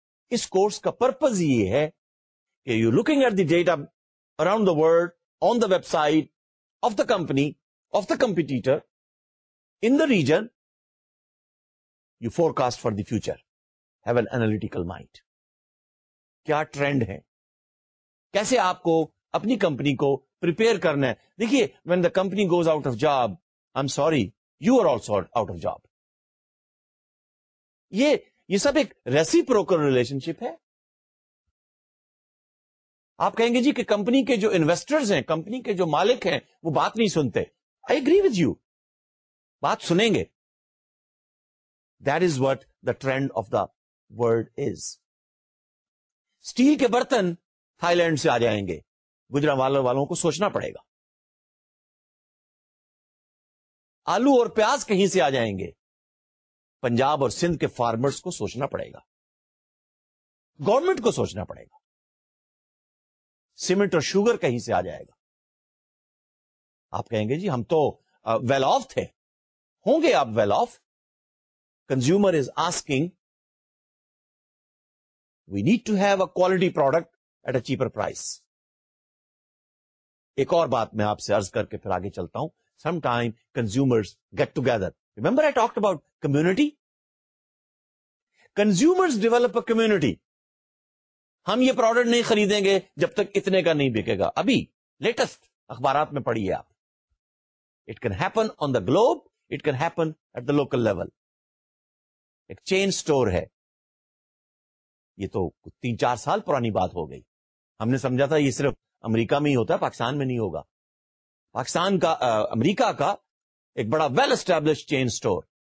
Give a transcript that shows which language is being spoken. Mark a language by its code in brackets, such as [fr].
[ur] Is course ka purpose ye hai, ke [en] you're looking at the data around the world, on the website, of the company, of the competitor, in the region, you forecast for the future. Have an analytical mind. [ur] کیا trend ہے, کیسے آپ کو اپنی company کو prepare کرنا ہے. دیکھیے, [en] when the company goes out of job, I'm sorry, you are also out of job. [ur] یہ سب ایک reciprocal relationship ہے. آپ کہیں گے جی کہ کمپنی کے جو انویسٹرز ہیں, کمپنی کے جو مالک ہیں, وہ بات نہیں سنتے. [en] I agree with you, [ur] بات سنیں گے. [en] That is what the trend of the world is. [ur] Steel کے برتن تھائی لینڈ سے آ جائیں گے, گجراوالوں والوں کو سوچنا پڑے گا. آلو اور پیاز کہیں سے آ جائیں گے, پنجاب اور سندھ کے فارمرز کو سوچنا پڑے گا, گورنمنٹ کو سوچنا پڑے گا. سیمنٹ اور شوگر کہیں سے آ جائے گا. آپ کہیں گے جی ہم تو ویل آف تھے. ہوں گے آپ well of. [en] Consumer is asking, we need to have a quality product at a cheaper price. [ur] ایک اور بات میں آپ سے عرض کر کے پھر آگے چلتا ہوں. [en] Some time consumers get together. Remember I talked about community. Consumers develop a community. [ur] ہم یہ پروڈکٹ نہیں خریدیں گے جب تک اتنے کا نہیں بکے گا. ابھی لیٹسٹ اخبارات میں پڑھیے آپ. [en] It can happen on the globe, it can happen at the local level. [ur] ایک چین اسٹور ہے, یہ تو تین چار سال پرانی بات ہو گئی. ہم نے سمجھا تھا یہ صرف امریکہ میں ہی ہوتا ہے, پاکستان میں نہیں ہوگا. پاکستان کا, امریکہ کا ایک بڑا ویل اسٹیبلش چین اسٹور.